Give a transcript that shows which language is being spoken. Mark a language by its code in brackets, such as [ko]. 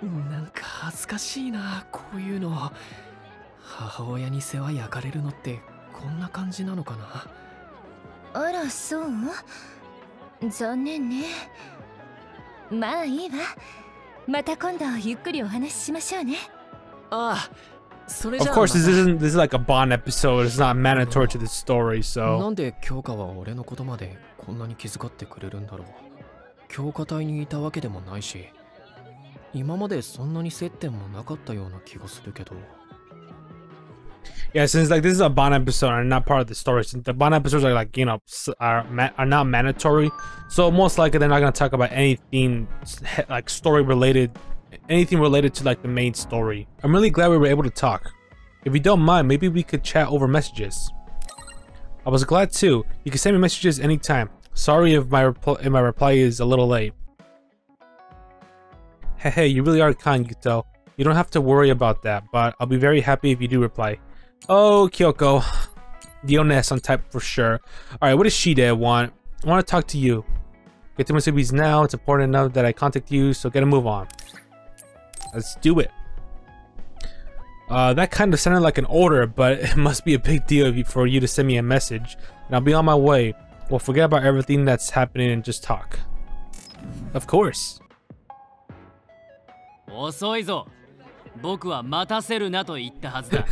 [ja] なんか恥ずかしいな、こういうの。母親に世話焼かれるのってこんな感じなのかな。あら、そう？残念ね。まあいいわ。また今度ゆっくりお話ししましょうね。ああ、それじゃあ。 [en] Of course, this is like a Bond episode. It's not mandatory to the story, so. [ja] なんで強化は俺のことまでこんなに気遣ってくれるんだろう。強化隊にいたわけでもないし、今までそんなに接点もなかったような気がするけど。 [en] Yeah, since like this is a Bond episode and not part of the story, the Bond episodes are like, you know, are not mandatory. So most likely they're not going to talk about anything like story related, anything related to like the main story. I'm really glad we were able to talk. If you don't mind, maybe we could chat over messages. I was glad too. You can send me messages anytime. Sorry if my reply is a little late. Hey, you really are kind, Yuto. You don't have to worry about that, but I'll be very happy if you do reply. Oh, Kyoko. The Onesan type for sure. Alright, what does Shide want? I want to talk to you. Get to Musubi's now. It's important enough that I contact you, so get a move on. Let's do it. That kind of sounded like an order, but it must be a big deal for you to send me a message. And I'll be on my way. We'll forget about everything that's happening and just talk. Of course. [ja] 遅いぞ。僕は待たせるなと言ったはずだ。